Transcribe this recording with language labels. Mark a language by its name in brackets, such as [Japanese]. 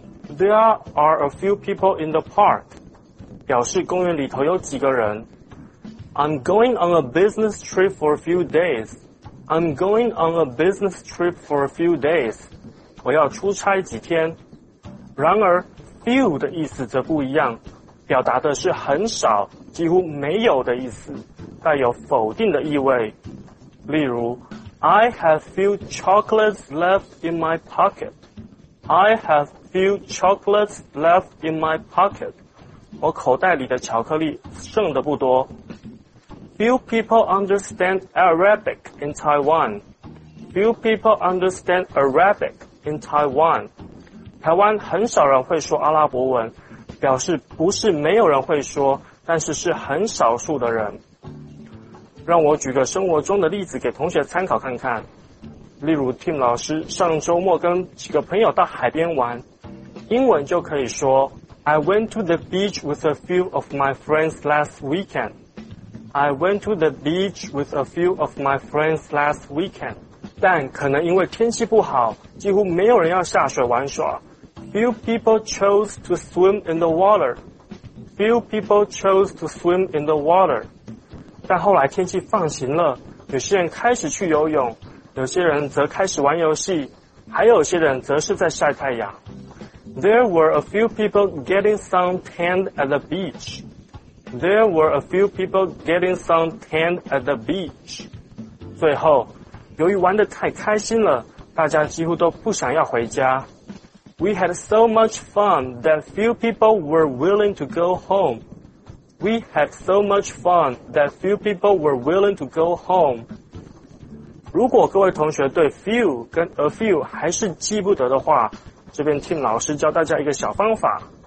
[English] There are a few people in the park. [Chinese] 表示公园里头有几个人。 [English] I'm going on a business trip for a few days. I'm going on a business trip for a few days. [Chinese] 我要出差几天。然而 few 的意思则不一样，表达的是很少，几乎没有的意思，带有否定的意味。例如 [English] I have few chocolates left in my pocket. I have few chocolates left in my pocket. [Chinese] 我口袋里的巧克力剩的不多。 [English] Few people understand Arabic in Taiwan. Few people understand Arabic in Taiwan. [Chinese] 台湾很少人会说阿拉伯文，表示不是没有人会说，但是是很少数的人。让我举个生活中的例子给同学参考看看。例如 Tim 老师上周末跟几个朋友到海边玩，英文就可以说 [English] I went to the beach with a few of my friends last weekend. I went to the beach with a few of my friends last weekend. [Chinese] 但可能因为天气不好，几乎没有人要下水玩耍。 [English] Few people chose to swim in the water. Few people chose to swim in the water. [Chinese] 但后来天气放晴了，有些人开始去游泳，有些人则开始玩游戏，还有些人则是在晒太阳。 [English] There were a few people getting suntanned at the beach. There were a few people getting suntanned at the beach. [Chinese] 最后，由于玩得太开心了，大家几乎都不想要回家。 [English] We had so much fun that few people were willing to go home. We had so much fun that few people were willing to go home. [Chinese] 如果各位同学对 few 跟 a few 还是记不得的话，这边 Tim 老师教大家一个小方法。